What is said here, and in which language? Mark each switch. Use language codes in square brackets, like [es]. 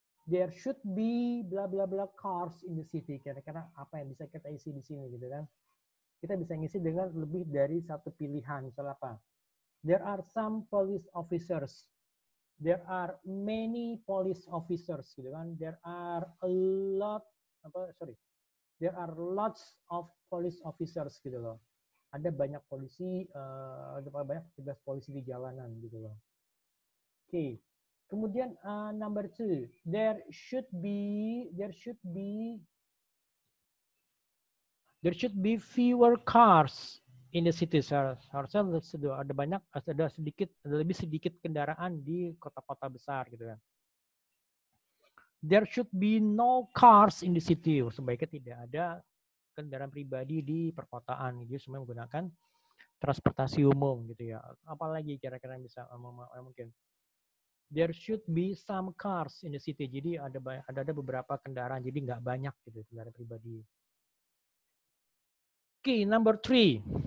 [en] There should be bla bla bla cars in the city. [id] Kira-kira apa yang bisa kita isi di sini gitu kan? Kita bisa ngisi dengan lebih dari satu pilihan, salah apa? [en] There are some police officers. There are many police officers, gitu kan? There are a lot, apa? Sorry. There are lots of police officers, [id] gitu loh. Ada banyak polisi, ada banyak petugas polisi di jalanan, gitu loh. Okay. Kemudian [en] number two, there should be fewer cars in the city. [id] Harusnya sudah ada banyak, sudah sedikit, ada lebih sedikit kendaraan di kota-kota besar, gitu kan. [en] There should be no cars in the city. [id] Sebaiknya tidak ada kendaraan pribadi di perkotaan. Jadi semua menggunakan transportasi umum, gitu ya. Apalagi kira-kira bisa mungkin. [en] There should be some cars in the city. [id] Jadi ada beberapa kendaraan. Jadi nggak banyak, gitu, kendaraan pribadi. [en] Okay, number three.